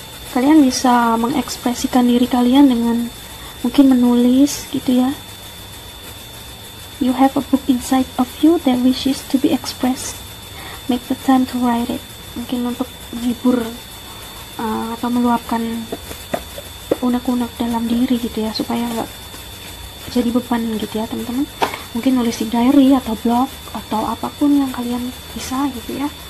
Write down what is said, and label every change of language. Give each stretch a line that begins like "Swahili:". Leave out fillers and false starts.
Indonesian: Kalian bisa mengekspresikan diri kalian dengan mungkin menulis gitu ya.
English: You have a book inside of you that wishes to be expressed. Make the time to write it.
Indonesian: Mungkin untuk menghibur atau meluapkan unek-unek dalam diri gitu ya, supaya nggak jadi beban gitu ya teman-teman. Mungkin nulis di diary atau blog atau apapun yang kalian bisa gitu ya.